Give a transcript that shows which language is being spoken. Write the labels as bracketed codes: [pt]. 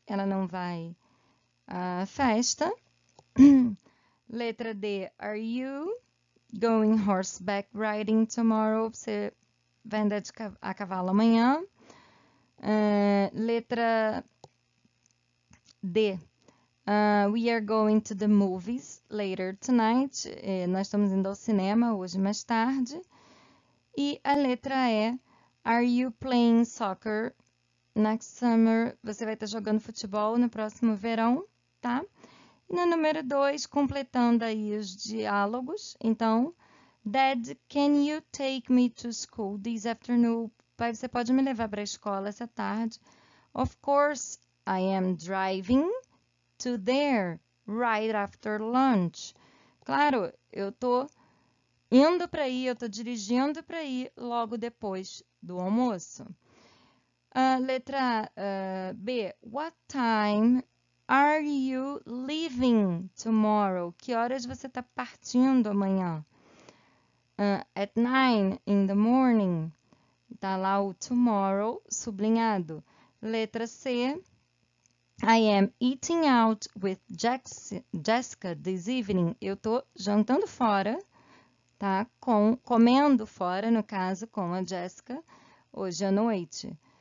[pt] Ela não vai à festa. Letra D, [en] are you going horseback riding tomorrow? [pt] Você vai andar a cavalo amanhã. Letra D, [en] we are going to the movies later tonight. [pt] Nós estamos indo ao cinema hoje mais tarde. E a letra E, [en] are you playing soccer next summer? [pt] Você vai estar jogando futebol no próximo verão, tá? E no número 2, completando aí os diálogos. [en] Então, Dad, can you take me to school this afternoon? [pt] Pai, você pode me levar para a escola essa tarde? [en] Of course, I am driving to there, right after lunch. [pt] Claro, eu tô indo para aí, eu tô dirigindo para aí logo depois do almoço. [en] Letra B. What time are you leaving tomorrow? [pt] Que horas você tá partindo amanhã? [en] At 9 in the morning. [pt] Tá lá o tomorrow sublinhado. Letra C. [en] I am eating out with Jessica this evening. [pt] Eu tô jantando fora, tá? Comendo fora, no caso, com a Jessica, hoje à noite.